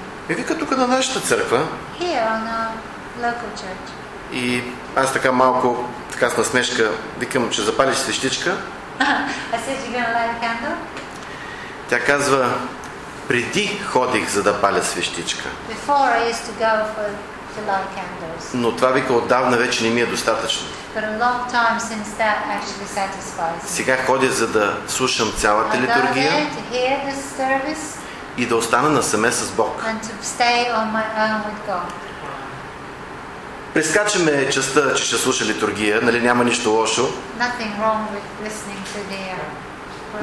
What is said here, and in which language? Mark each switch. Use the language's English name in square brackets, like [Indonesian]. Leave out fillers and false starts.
[Bulgarian] И вика, тук на нашата църква. [English] Here, on a local church. [Bulgarian] И аз така малко, така с насмешка, викам, че запалиш свещичка. [English] I said, you're gonna light a candle? [Bulgarian] Тя казва, преди ходих, за да паля свещичка. [English] Before I used to go for to light candles. [Bulgarian] Но това, вика, отдавна вече не ми е достатъчно. [English] But a long time since that actually satisfies me. [Bulgarian] Сега ходя, за да слушам цялата литургия. [English] I'm there to hear this service. [Bulgarian] И да остана насаме с Бог. [English] And to stay on my own with God. [Bulgarian] Прескачаме частта, че ще слуша литургия, нали, няма нищо лошо. [English] Nothing wrong with listening to the service.